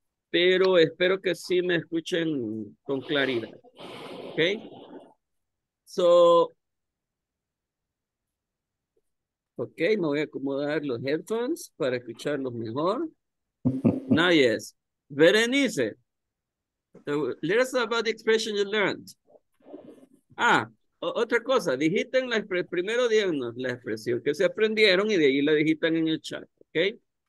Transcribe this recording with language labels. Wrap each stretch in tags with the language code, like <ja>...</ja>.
<es>Pero espero que sí me escuchen con claridad. Okay, so, okay, me voy a acomodar los headphones para escucharlos mejor.</es> <en>Now, yes, Berenice, let us know about the expression you learned.</en> <es>Ah, otra cosa, digiten la, primero díganos la expresión que se aprendieron y de ahí la digitan en el chat, okay?</es>